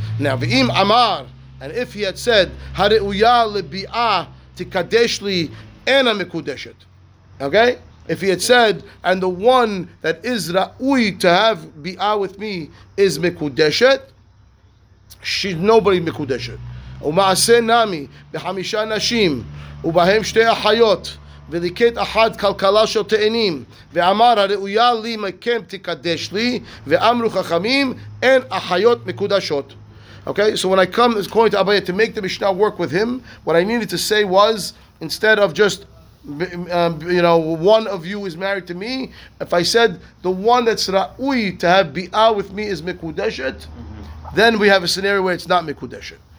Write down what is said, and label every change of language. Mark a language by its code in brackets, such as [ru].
[en] Now ve'im amar, and if he had said [he] hareuya lebi'ah tikadesh li ena mekudeshet, [en] okay, if he had said and the one that is ra'ui to have bi'ah with me is mekudeshet, she's nobody mekudeshet. [he] Uma'ase nami b'hamisha nashim ubahem shtei achayot. ולקט אחד כלכלה של תאנים ואמר הראויה לי מכם תקדש לי ואמרו חכמים אין אחיות מקודשות. [en] Okay, so when I come according to Abaye to make the Mishnah work with him, what I needed to say was, instead of just one of you is married to me, if I said the one that's ra'ui to have bi'ah with me is mekudeshet, then we have a scenario where it's not mekudeshet.